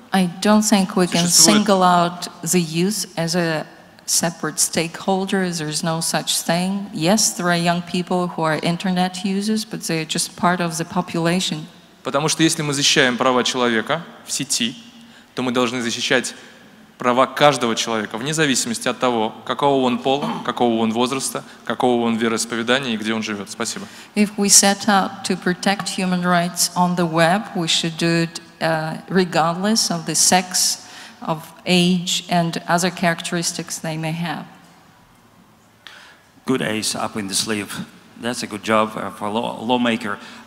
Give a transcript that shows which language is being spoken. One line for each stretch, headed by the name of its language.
English: I don't think we can single out the youth as a separate stakeholders. There is no such thing. Yes, there are young people who are internet users, but they are just part of the population.
Russian: Потому что если мы защищаем права человека в сети, то мы должны защищать права каждого человека, вне зависимости от того, какого он пола, какого он возраста, какого он вероисповедания и где он живет. Спасибо.
English: If we set out to protect human rights on the web, we should do it regardless of the sex, of age and other characteristics they may have. Good ace up in the sleeve. That's a good job for a lawmaker.